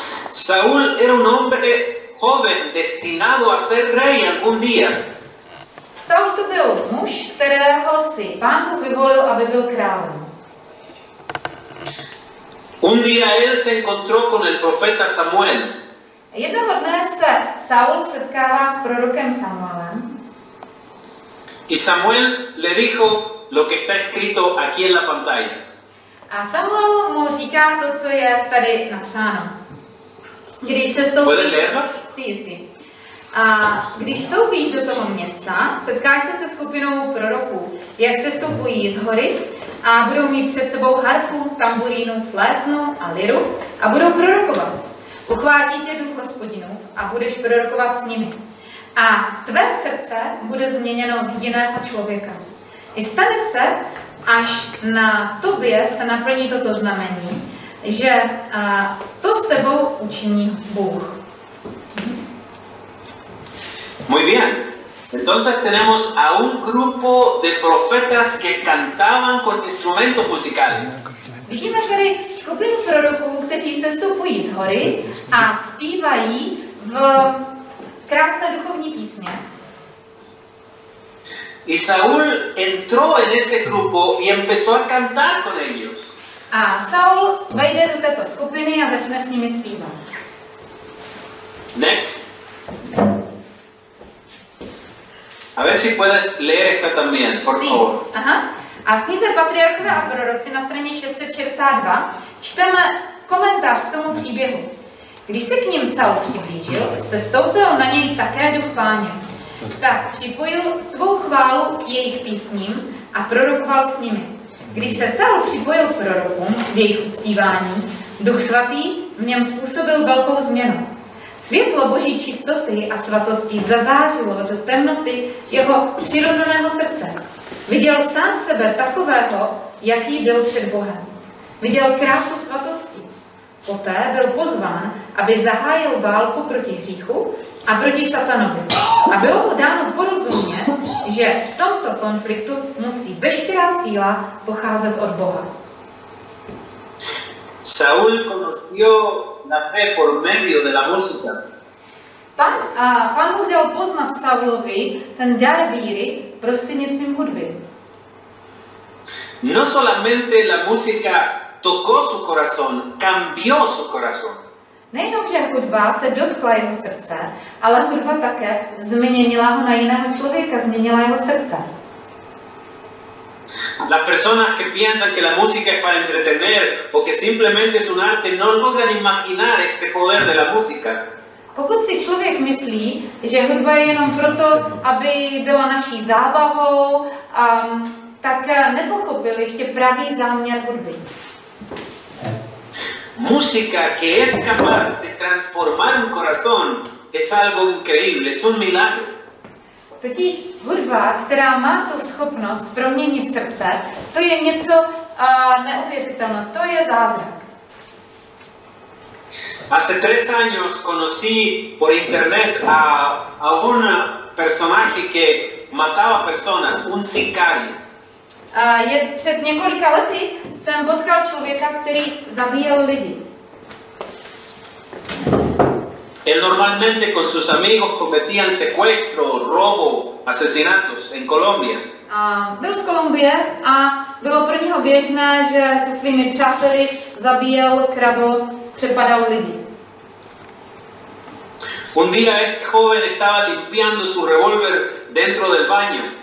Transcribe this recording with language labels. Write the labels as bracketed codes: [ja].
[es] Saúl era un hombre joven destinado a ser rey algún día. [cs] Saul to byl muž, kterého si Pán Bůh vyvolil, aby byl králem. [es] Un día él se encontró con el profeta Samuel. [cs] Jednoho dne se Saul setkává s prorokem Samuelem. [es] Y Samuel le dijo lo que está escrito aquí en la pantalla. [cs] A Samuel mu říká to, co je tady napsáno. Když se stoupí... [es] ¿Puedes leerlo? Sí, sí. [cs] A když stoupíš do toho města, setkáš se skupinou proroků, jak se stoupují z hory a budou mít před sebou harfu, tamburínu, flétnu a liru a budou prorokovat. Uchvátí tě duch Hospodinův a budeš prorokovat s nimi. A tvé srdce bude změněno v jiného člověka. I stane se, až na tobě se naplní toto znamení, že to s tebou učiní Bůh. [es] Muy bien. Entonces tenemos a un grupo de profetas que cantaban con instrumentos musicales. [cs] Vidíme tady skupinu proroků, kteří se stoupují z hory a zpívají v krásné duchovní písně. [es] Y Saúl entró en ese grupo y empezó a cantar con ellos. [cs] A Saul vejde do této skupiny a začne s nimi zpívat. [en] Next. [es] A ver si puedes leer esta también, por sí. favor. Aha. [cs] A v knize Patriarchové a proroci na straně 662 čteme komentář k tomu příběhu. Když se k ním Saul přiblížil, sestoupil na něj také duch Páně. Tak připojil svou chválu k jejich písním a prorokoval s nimi. Když se Saul připojil k prorokům v jejich uctívání, duch svatý v něm způsobil velkou změnu. Světlo Boží čistoty a svatosti zazářilo do temnoty jeho přirozeného srdce. Viděl sám sebe takového, jaký byl před Bohem. Viděl krásu svatosti. Poté byl pozván, aby zahájil válku proti hříchu a proti Satanovi. A bylo mu dáno porozumět, že v tomto konfliktu musí veškerá síla pocházet od Boha. [es] Saul conoció la fe por medio de la música. [cs] Pán Bůh dal poznat Saulovi ten dar víry prostřednictvím hudby. [es] No solamente la música tocó su corazón, cambió su corazón. [cs] Nejenom, že hudba se dotkla jeho srdce, ale hudba také změnila ho na jiného člověka, změnila jeho srdce. [es] Las personas que piensan que la música es para entretener o que simplemente es un arte no logran imaginar este poder de la música. [cs] Pokud si člověk myslí, že hudba je jenom proto, aby byla naší zábavou, tak nepochopil ještě pravý záměr hudby. [es] Música que es capaz de transformar un corazón es algo increíble, es un milagro. [cs] Totiž hudba, která má tu schopnost proměnit srdce, to je něco neuvěřitelné, to je zázrak. [es] Hace tres años conocí por internet a un personaje que mataba personas, un sicario. [cs] Před několika lety jsem potkal člověka, který zabíjel lidi. [es] Él normalmente con sus amigos cometían secuestro, robo, asesinatos en Colombia. [cs] A byl z Kolumbie a bylo pro něho běžné, že se svými přáteli zabíjel, kradl, přepadal lidi. [es] Un día este joven estaba limpiando su revólver dentro del baño.